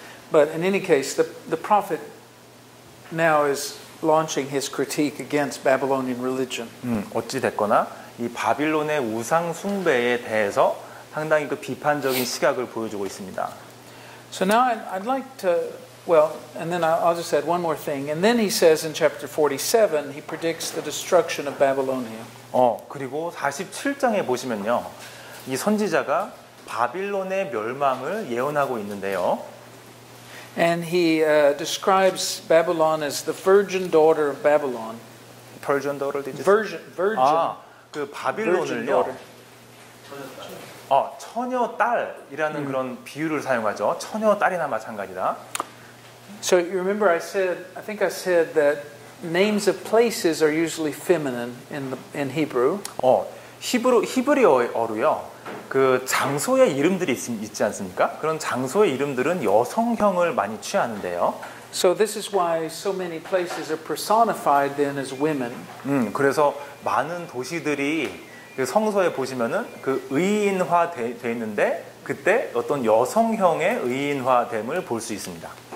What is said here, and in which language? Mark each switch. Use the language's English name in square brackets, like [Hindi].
[English] But in any case, the prophet now is launching his critique against Babylonian religion. [Korean] 어찌 됐거나 이 바빌론의 우상 숭배에 대해서 상당히 그 비판적인 시각을 보여주고 있습니다. [English] So now I'd like to well, and then I'll just add one more thing. And then he says in chapter 47, he predicts the destruction of Babylonia. [Korean] 그리고 47장에 보시면요, 이 선지자가 바빌론의 멸망을 예언하고 있는데요. [English] And he describes Babylon as the virgin daughter of Babylon. Virgin daughter, did you? Virgin. [Korean] 그 바빌론을요. 처녀 딸이라는 그런 비유를 사용하죠. 처녀 딸이나 마찬가지다. [English] So you remember I think I said that names of places are usually feminine in Hebrew. [Korean] 히브리어로요. 그 장소의 이름들이 있지 않습니까? 그런 장소의 이름들은 여성형을 많이 취하는데요. [English] So this is why so many places are personified then as women. [Korean] 그래서 많은 도시들이 그 성서에 보시면은 그 의인화 돼 있는데 그때 어떤 여성형의 의인화됨을 볼 수 있습니다.